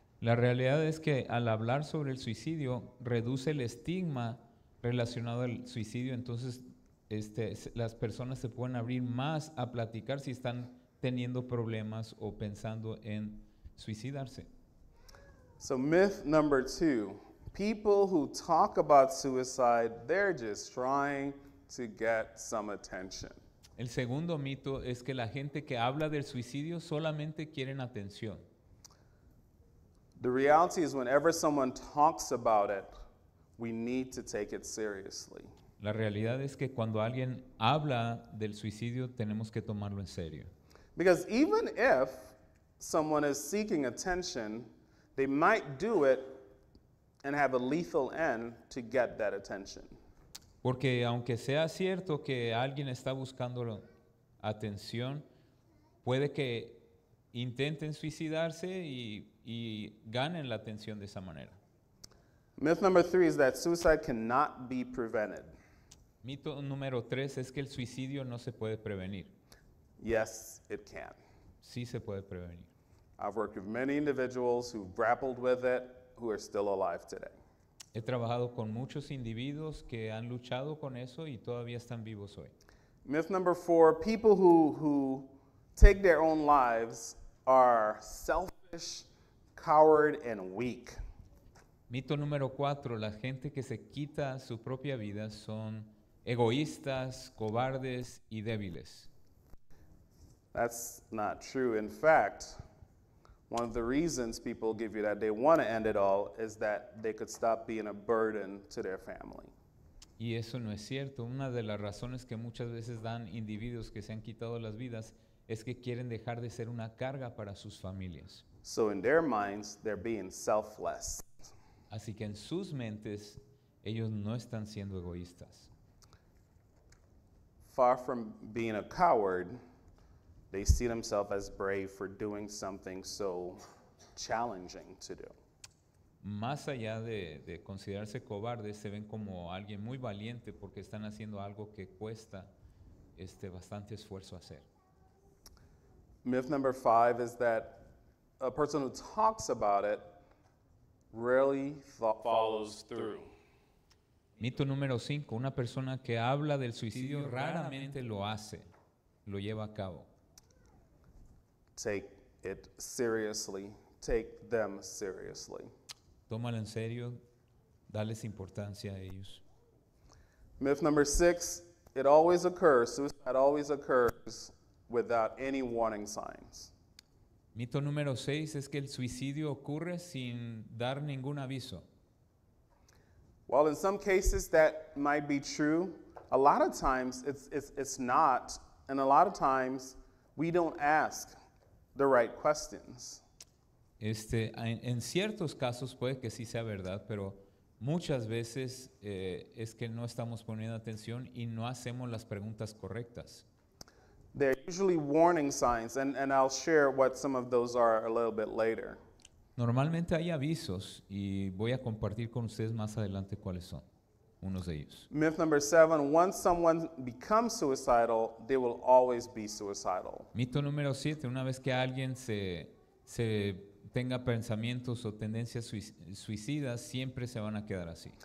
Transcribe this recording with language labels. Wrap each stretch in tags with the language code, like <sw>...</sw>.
<es>La realidad es que al hablar sobre el suicidio, reduce el estigma relacionado al suicidio, entonces las personas se pueden abrir más a platicar si están teniendo problemas o pensando en suicidarse.</es> <en>So myth number two, people who talk about suicide, they're just trying to get some attention.</en> <es>El segundo mito es que la gente que habla del suicidio solamente quieren atención.</es> <en>The reality is whenever someone talks about it, we need to take it seriously.</en> <es>La realidad es que cuando alguien habla del suicidio, tenemos que tomarlo en serio.</es> <en>Because even if someone is seeking attention, they might do it and have a lethal end to get that attention.</en> <es>Porque aunque sea cierto que alguien está buscando atención, puede que intenten suicidarse y ganen la atención de esa manera.</es> <en>Myth number three is that suicide cannot be prevented.</en> <es>Mito número tres es que el suicidio no se puede prevenir.</es> <en>Yes, it can.</en> <es>Sí se puede prevenir.</es> <en>I've worked with many individuals who've grappled with it, who are still alive today.</en> <es>He trabajado con muchos individuos que han luchado con eso y todavía están vivos hoy.</es> <en>Myth number four, people who take their own lives are selfish, coward and weak.</en> <es>Mito número cuatro, la gente que se quita su propia vida son egoístas, cobardes y débiles.</es> <en>That's not true. In fact, one of the reasons people give you that they want to end it all is that they could stop being a burden to their family.</en> <es>Y eso no es cierto. Una de las razones que muchas veces dan individuos que se han quitado las vidas es que quieren dejar de ser una carga para sus familias.</es> <en>So in their minds, they're being selfless.</en> <es>Así que en sus mentes, ellos no están siendo egoístas.</es> <en>Far from being a coward, they see themselves as brave for doing something so challenging to do.</en> <es>Más allá de considerarse cobarde, se ven como alguien muy valiente porque están haciendo algo que cuesta bastante esfuerzo hacer.</es> <en>Myth number five is that a person who talks about it rarely follows through.</en> <es>Mito número cinco, una persona que habla del suicidio raramente lo hace, lo lleva a cabo.</es> <en>Take it seriously. Take them seriously.</en> <es>Tómalo en serio. Dales importancia a ellos.</es> <en>Myth number six, it always occurs. Suicide always occurs without any warning signs.</en> <es>Mito número seis es que el suicidio ocurre sin dar ningún aviso.</es> <en>Well, in some cases that might be true. A lot of times it's not, and a lot of times we don't ask the right questions.</en> <es>En ciertos casos puede que sí sea verdad, pero muchas veces es que no estamos poniendo atención y no hacemos las preguntas correctas.</es> <en>They're usually warning signs, and I'll share what some of those are a little bit later.</en> <es>Normalmente hay avisos, y voy a compartir con ustedes más adelante cuáles son unos de ellos.</es> <en>Myth number seven, once someone becomes suicidal, they will always be suicidal.</en> <es>Mito número siete, una vez que alguien se tenga pensamientos o tendencias suicidas, siempre se van a quedar así.</es>